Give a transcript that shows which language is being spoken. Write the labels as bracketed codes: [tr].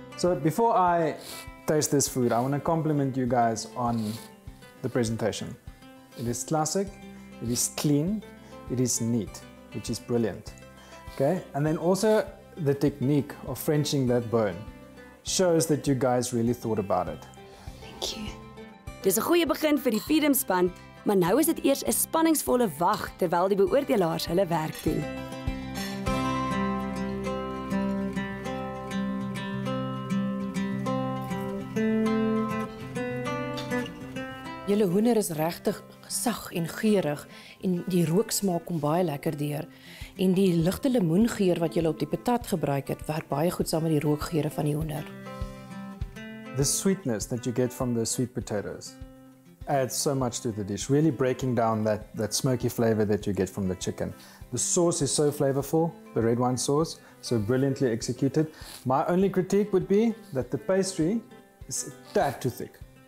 [en] So before I taste this food, I want to compliment you guys on the presentation. It is classic, it is clean, it is neat, which is brilliant. Okay, and then also the technique of Frenching that bone shows that you guys really thought about it. Thank you. [af] Dis 'n goeie begin vir die Freedom Span, maar nou is dit eers 'n spanningsvolle wag terwyl die beoordelaars hulle werk doen. Julle hoender is regtig sag en geurig en die rook smaak kom baie lekker deur. En die ligte lemoengeur wat julle op die patat gebruik het, werk baie goed saam met die rookgeure van die hoender. [en] The sweetness that you get from the sweet potatoes adds so much to the dish, really breaking down that smoky flavor that you get from the chicken. The sauce is so flavorful, the red wine sauce, so brilliantly executed. My only critique would be that the pastry is a tad too thick.